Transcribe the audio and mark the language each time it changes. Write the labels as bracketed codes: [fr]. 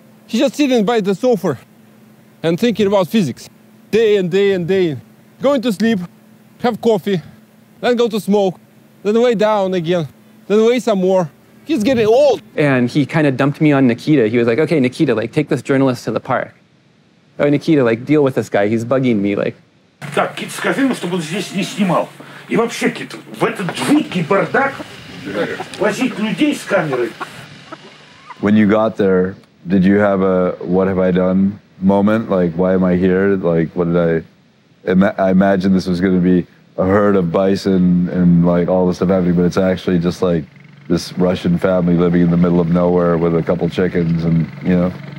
[en] He's just sitting by the sofa and thinking about physics, day and day and day. Going to sleep, have coffee, then go to smoke, then lay down again, then lay some more. He's getting old. And he kind of dumped me on Nikita. He was like, okay, Nikita, like, take this journalist to the park. Oh, Nikita, like, deal with this guy. He's bugging me, like. [ru] Так, Кит, скажи ему, чтобы он здесь не снимал. И вообще, Кит, в этот жуткий бардак возить людей с камерой. [en] When you got there, did you have a what have I done moment? Like, why am I here? Like, what did I... I imagine this was going to be a herd of bison and like all this stuff happening, but it's actually just like this Russian family living in the middle of nowhere with a couple chickens and, you know.